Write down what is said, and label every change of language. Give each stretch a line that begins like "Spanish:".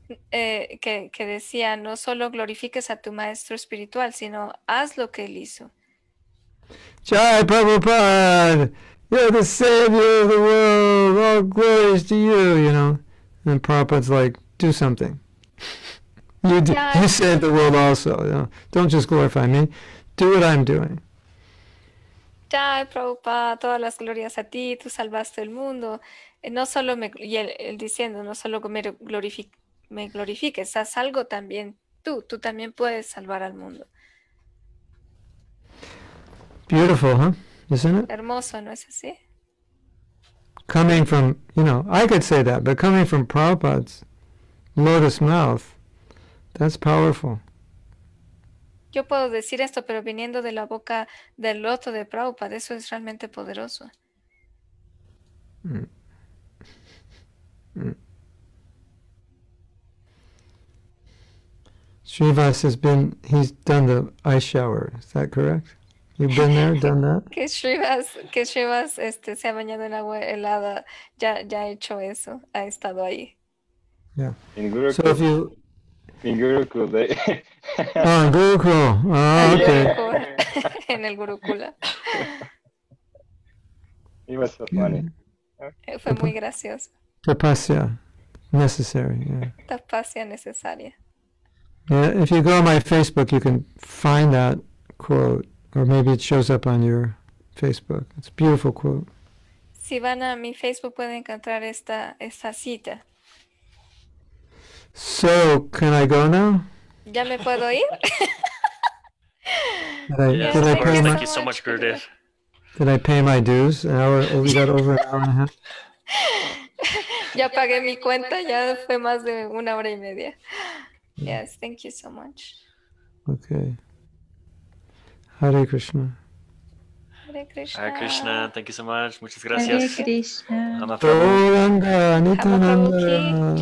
Spanish: que decía, no solo glorifiques a tu maestro espiritual, sino haz lo que él hizo.
English: Jai Prabhupada, you're the savior of the world, all glories to you, you know. And Prabhupada's like, do something. You save the world also, you know. Don't just glorify me, do what I'm doing.
Spanish: Jai Prabhupada, todas las glorias a ti, tú salvaste el mundo. No solo me, y él diciendo, no solo me glorifiques, haz algo también tú también puedes salvar al mundo.
English: Beautiful, huh? Isn't it?
Spanish: Hermoso, ¿no es así?
English: Coming from, you know, I could say that, but coming from Prabhupada's lotus mouth, that's powerful.
Spanish: Yo puedo decir esto, pero viniendo de la boca del loto de Prabhupada, eso es realmente poderoso.
English: Srivas has been, he's done the ice shower, is that correct? You've been there, done that?
Spanish: Que Shrivas, se ha bañado en agua helada, ya ha hecho eso, ha estado ahí.
English: Yeah. In Gurukul. So if you... In Gurukul, they... Oh, in Gurukul. Oh, okay. Yeah.
Spanish: En el Gurukula.
English: It was so funny.
Spanish: Fue muy gracioso.
English: Tapasya. Necessary, yeah.
Spanish: Tapasya necesaria.
English: Yeah, if you go on my Facebook, you can find that quote. Or maybe it shows up on your Facebook. It's a beautiful quote.
Spanish: Si van a mi Facebook, pueden encontrar esta cita.
English: So, can I go now?
Spanish: ¿Ya me puedo ir?
English: Yes, of course. Thank you so much, Gurudev. Did I pay my dues? We got over an hour and a half.
Spanish: Ya pagué mi cuenta. Ya fue más de una hora y media.
English: Yes, thank you so much. Okay. Hare Krishna. Hare Krishna. Hare Krishna. Thank you so much.
Spanish: Muchas gracias.
English: Hare Krishna. Nitananda.